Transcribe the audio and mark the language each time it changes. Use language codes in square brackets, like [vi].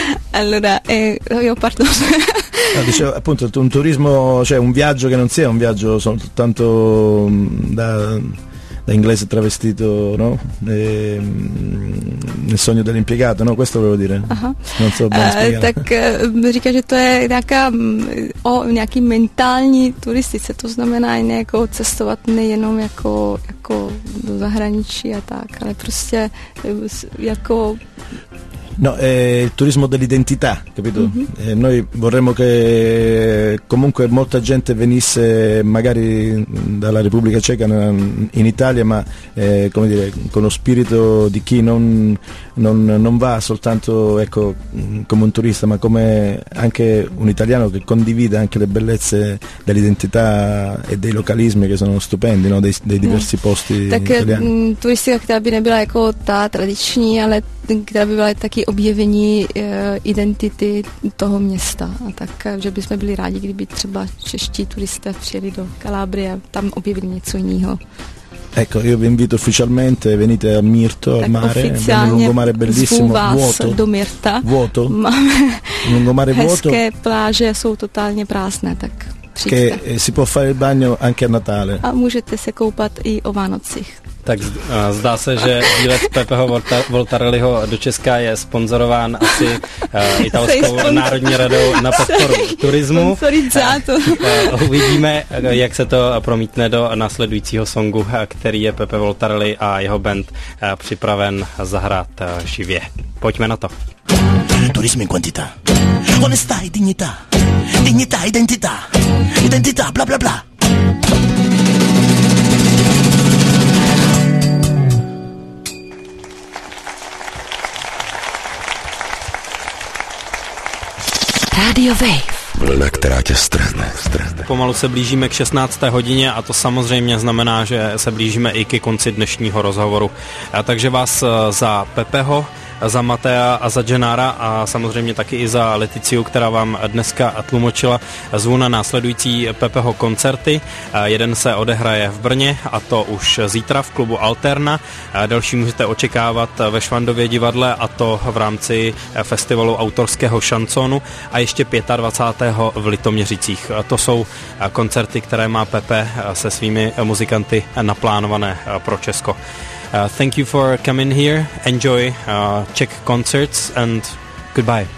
[it] Allora, io parto... No, dicevo, appunto, un turismo, cioè un viaggio che non sia un viaggio soltanto da inglese travestito, no? Nel sogno dell'impiegato, no? Questo volevo dire. Aha. Non so ben spiegare. [cs] Tak říká, že to je nějaká o nějaký mentální turistice, to znamená i nějakou cestovat nejenom jako do zahraničí a tak, ale prostě jako... [it] No, è il turismo dell'identità, capito? Mm-hmm. Noi vorremmo che comunque molta gente venisse magari dalla Repubblica Ceca in Italia, ma come dire, con lo spirito di chi non va soltanto, ecco, come un turista, ma come anche un italiano che condivida anche le bellezze dell'identità e dei localismi che sono stupendi, no? Dei diversi posti italiani. Turistica che avrebbe [cs] bila jako ta tradiční, ale která by byla taky objevení identity toho města. A tak, že bychom byli rádi, kdyby třeba čeští turisté přijeli do Kalábrie a tam objevili něco jiného. [it] Ecco, io vi invito ufficialmente, venite al Mirto, al mare, un lungomare bellissimo, vuoto. [cs] Do Mirta. [it] Vuoto? [cs] Máme [it] lungomare vuoto. [cs] Hezké pláže jsou totálně prázdné, tak přijďte. [it] Che si può fare il bagno anche a Natale. [cs] A můžete se koupat i o Vánocích. Tak zdá se, že výlet Pepeho Voltarelliho do Česka je sponzorován asi italskou národní radou na podporu turismu. Uvidíme, jak se to promítne do následujícího songu, který je Pepe Voltarelli a jeho band připraven zahrát živě. Pojďme na to. [it] Turismo in quantità, onestà e dignità, dignità, identità, identità, bla bla bla. [cs] Radio Wave. Vlna, která tě strhne. Pomalu se blížíme k 16. hodině a to samozřejmě znamená, že se blížíme i ke konci dnešního rozhovoru. A takže vás za Pepeho, za Matea a za Genara a samozřejmě taky i za Leticiu, která vám dneska tlumočila, zvu na následující Pepeho koncerty. Jeden se odehraje v Brně a to už zítra v klubu Alterna. Další můžete očekávat ve Švandově divadle a to v rámci festivalu autorského šansonu a ještě 25. v Litoměřicích. To jsou koncerty, které má Pepe se svými muzikanty naplánované pro Česko. [en] Thank you for coming here. Enjoy Czech concerts and goodbye.